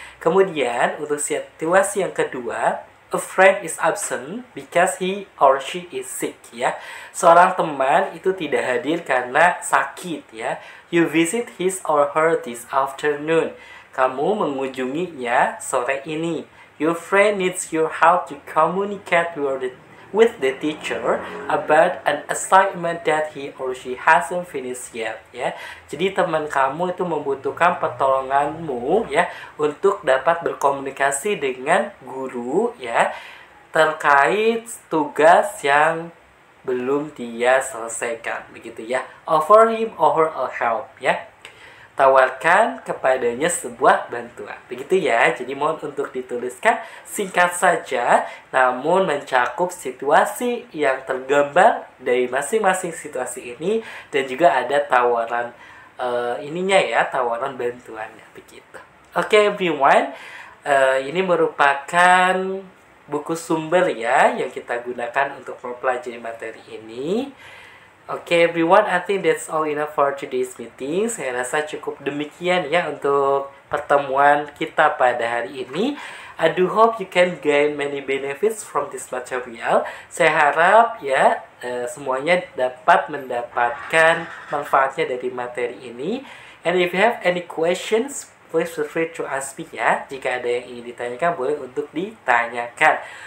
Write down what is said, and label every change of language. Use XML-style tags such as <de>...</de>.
<id>Kemudian untuk situasi yang kedua,</id> <en>a friend is absent because he or she is sick, ya.</en> <id>Seorang teman itu tidak hadir karena sakit, ya.</id> <en>You visit his or her this afternoon.</en> <id>Kamu mengunjunginya sore ini.</id> <en>Your friend needs your help to communicate with the teacher about an assignment that he or she hasn't finished yet, ya.</en> <id>Jadi teman kamu itu membutuhkan pertolonganmu ya untuk dapat berkomunikasi dengan guru ya terkait tugas yang belum dia selesaikan begitu ya.</id> <en>Offer him or her a help ya.</en> <id>Tawarkan kepadanya sebuah bantuan. Begitu ya, jadi mohon untuk dituliskan singkat saja, namun mencakup situasi yang tergambar dari masing-masing situasi ini, dan juga ada tawaran ininya ya, tawaran bantuannya. Begitu.</id> <en>Okay, everyone.</en> <id>Ini merupakan buku sumber ya, yang kita gunakan untuk mempelajari materi ini.</id> <en>Okay, everyone, I think that's all enough for today's meeting.</en> <id>Saya rasa cukup demikian ya untuk pertemuan kita pada hari ini.</id> <en>I do hope you can gain many benefits from this material.</en> <id>Saya harap ya semuanya dapat mendapatkan manfaatnya dari materi ini.</id> <en>And if you have any questions, please feel free to ask me ya.</en> <id>Jika ada yang ingin ditanyakan, boleh untuk ditanyakan.</id>